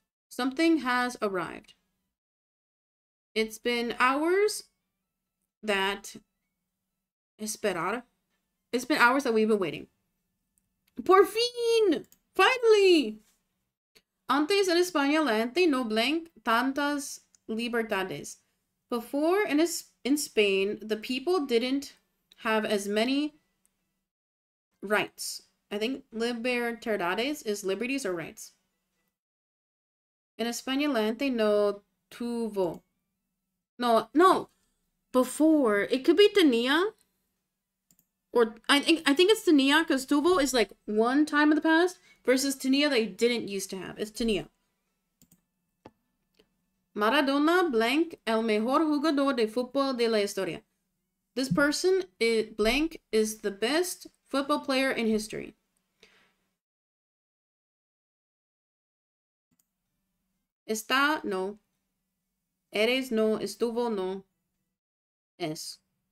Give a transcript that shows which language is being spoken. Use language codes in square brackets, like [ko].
[en] Something has arrived. It's been hours that esperar. It's been hours that we've been waiting. Porfin! Finally! [es] Antes en España la gente no blank tantas libertades. [en] Before in Spain, the people didn't have as many rights. I think libertades is liberties or rights. In [es] España la gente no tuvo. [en] No. Before, it could be tenía. Or I think it's tenía because tuvo is like one time in the past versus tenía they didn't used to have. It's tenía. [es] Maradona blank el mejor jugador de fútbol de la historia. [en] This person is blank is the best football player in history. [es] Está no. Eres no. Estuvo no. Es.